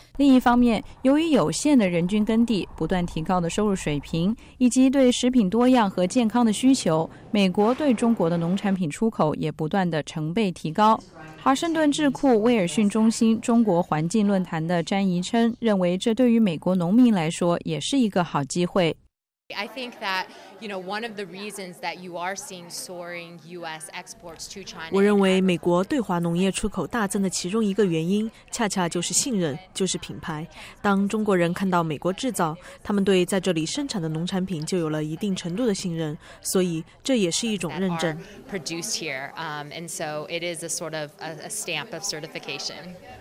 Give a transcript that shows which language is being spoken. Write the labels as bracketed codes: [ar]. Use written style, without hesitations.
[zh] 另一方面，由于有限的人均耕地、不断提高的收入水平以及对食品多样和健康的需求，美国对中国的农产品出口也不断的成倍提高。华盛顿智库威尔逊中心中国环境论坛的詹怡琛认为，这对于美国农民来说也是一个好机会。 [en] I think that, you know, one of the reasons that you are seeing soaring U.S. exports to China. [zh] 我认为美国对华农业出口大增的其中一个原因，恰恰就是信任，就是品牌。当中国人看到美国制造，他们对在这里生产的农产品就有了一定程度的信任，所以这也是一种认证。 [en] Produced here, and so it is a sort of a stamp of certification.